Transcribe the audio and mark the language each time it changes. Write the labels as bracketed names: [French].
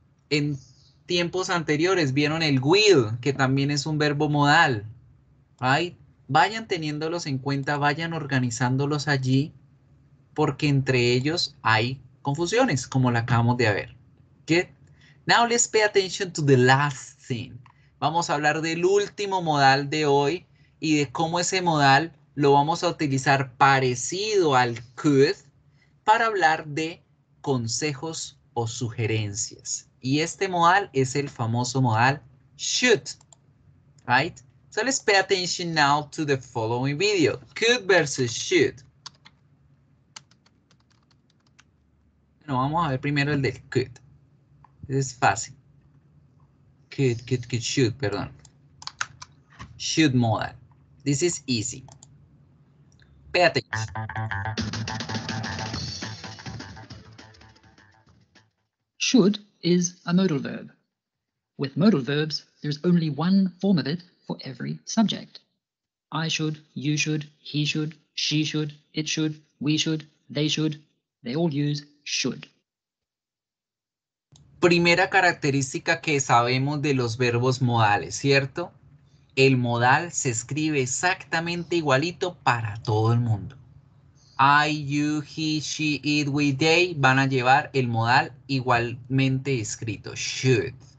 [Spanish] En tiempos anteriores vieron el will, que también es un verbo modal. [English] Right? [Spanish] Vayan teniéndolos en cuenta, vayan organizándolos allí, porque entre ellos hay confusiones, como la acabamos de ver. ¿Qué? [English] Now let's pay attention to the last thing. [Spanish] Vamos a hablar del último modal de hoy y de cómo ese modal lo vamos a utilizar parecido al could para hablar de consejos o sugerencias. Y este modal es el famoso modal should. [English] Right? So let's pay attention now to the following video. Could versus should. [Spanish] No, vamos a ver primero el del could. Es fácil. [English] Could, should, perdón. Should modal. This is easy. Pay attention. Should is a modal verb. With modal verbs, there's only one form of it for every subject. I should, you should, he should, she should, it should, we should. They all use should. [Spanish] Primera característica que sabemos de los verbos modales, ¿cierto? El modal se escribe exactamente igualito para todo el mundo. [English] I, you, he, she, it, we, they [Spanish] van a llevar el modal igualmente escrito, should.